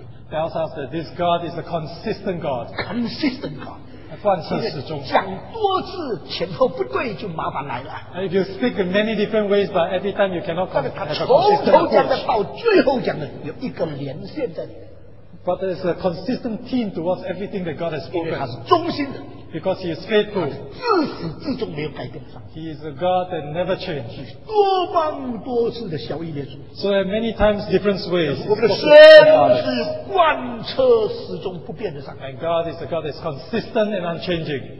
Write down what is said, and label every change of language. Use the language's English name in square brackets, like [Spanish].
[English] Tells us that this God is a consistent God. Consistent God. [Chinese] 贯彻始终。讲多次前后不对就麻烦来了。 [English] If you speak in many different ways, but every time you cannot come to a consistent approach. [Chinese] 从头讲的到最后讲的有一个连线在里面。 [English] But there is a consistent theme towards everything that God has spoken. Because He is faithful. He is a God that never changes. So there are many times different ways. And God is a God that is consistent and unchanging.